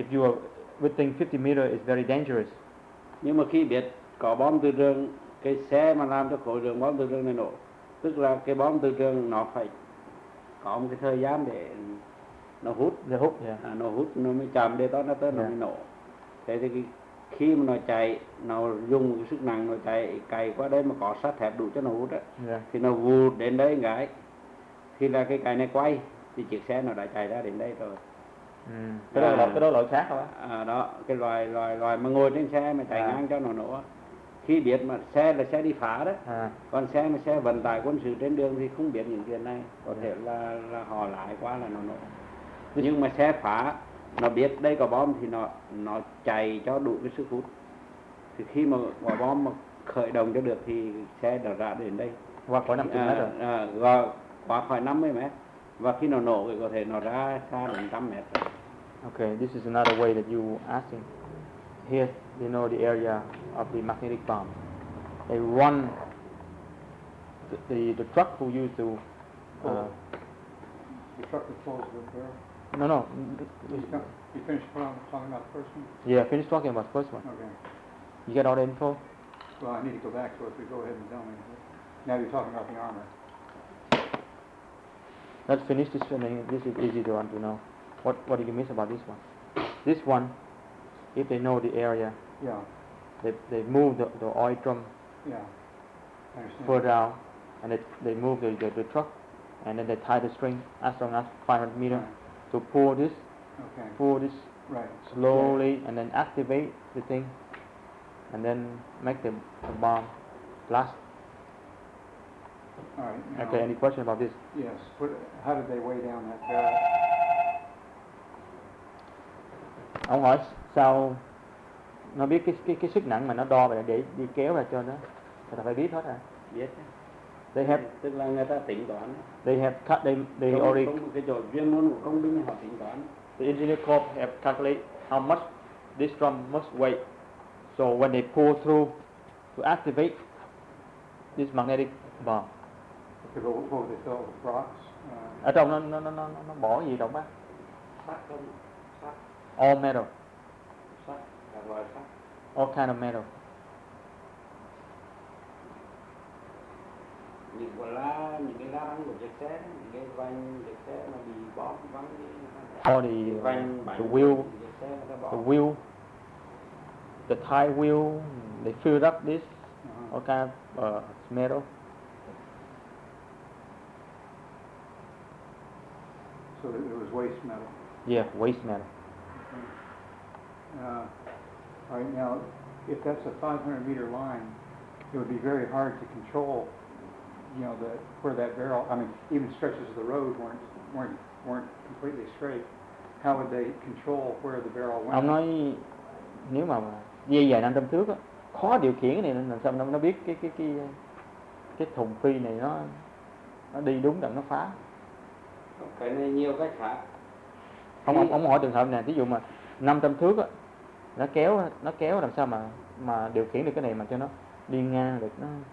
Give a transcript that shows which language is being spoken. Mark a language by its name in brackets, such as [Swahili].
[English] If you are within 50 meters, it's very dangerous. [Vietnamese] Nhưng mà khi biết có bom từ trường, cái xe mà làm cho khối lượng bom từ trường này nổ, tức là cái bom từ trường nó phải có một cái thời gian để nó hút. Để hút, yeah. Nó hút, nó mới chạm đến đó, nó tới, yeah. Nó mới nổ. Thế thì khi mà nó chạy, nó dùng cái sức nặng, nó chạy cày qua đây mà có sắt thép đủ cho nó hút á, [English] yeah. [Vietnamese] Thì nó vụt đến đây cái, thì là cái cày này quay, thì chiếc xe nó đã chạy ra đến đây rồi. Ừ. Cái đó là cái đó loại khác hả? À, đó cái loại mà ngồi trên xe mà chạy ngang cho nó nổ. Khi biết mà xe là xe đi phá đó, à. Còn xe mà xe vận tải quân sự trên đường thì không biết những chuyện này, có thể là họ lái quá là nó nổ. Nhưng mà xe phá nó biết đây có bom thì nó chạy cho đủ cái sức hút. Thì khi mà quả bom mà khởi động cho được thì xe nó ra đến đây. Qua khỏi 50 mét rồi. Qua khỏi 50 mét. Và khi nó nổ thì có thể nó ra xa 100 mét. [English] Okay, this is another way that you asking. Here they know the area of the magnetic bomb. They run the truck who used to the truck that falls with her. No. You finished talking about the first one? Yeah, I finished talking about the first one. Okay. You get all the info? Well, I need to go back to it, so go ahead and tell me. Now you're talking about the armor. Let's finish this one. This is easy to want to know. What do you miss about this one? This one, if they know the area, yeah. They move the oil drum, yeah. Further out, and they move the truck, and then they tie the string as long as 500 meters, right. To pull this, okay. Pull this, right. Slowly, yeah. And then activate the thing, and then make the bomb blast. All right, okay, any question about this? Yes, but how did they weigh down that barrel? [Vietnamese] Ông hỏi sao nó biết cái sức nặng mà nó đo vậy, để đi kéo ra cho nó. Người ta phải biết hết à? Biết. [English] They have, [Vietnamese] tức là người ta tính toán. [English] They have cut they [Vietnamese] công, [English] already. [Vietnamese] Công, cái chỗ chuyên môn của công binh họ tính toán. [English] The engineer corps have calculated how much this drum must weigh. So when they pull through to activate this magnetic bomb. Okay, but what they fill with rocks? [Vietnamese] Ở trong nó bỏ gì đâu bác? Sắt không? [English] All metal. [Vietnamese] Sắt. [English] All kind of metal. [Vietnamese] Những quả lá, những cái lá răng của chiếc xe, những cái vành chiếc xe mà bị bom văng đi. [English] All the wheel, the wheel, the tire wheel, they filled up this, all kind of metal. So it was waste metal. Yeah, waste metal. All right, now, if that's a 500 meter line, it would be very hard to control, you know, where that barrel, I mean, even stretches of the road weren't completely straight. How would they control where the barrel went? [Vietnamese] Ông nói, nếu mà dài 500 thước, khó điều khiển này, làm sao nó biết cái thùng phi này nó đi đúng là nó phá. Cái này nhiều cách khác. Ông hỏi trường hợp này, ví dụ mà 500 thước á, nó kéo làm sao mà điều khiển được cái này mà cho nó đi ngang được nó.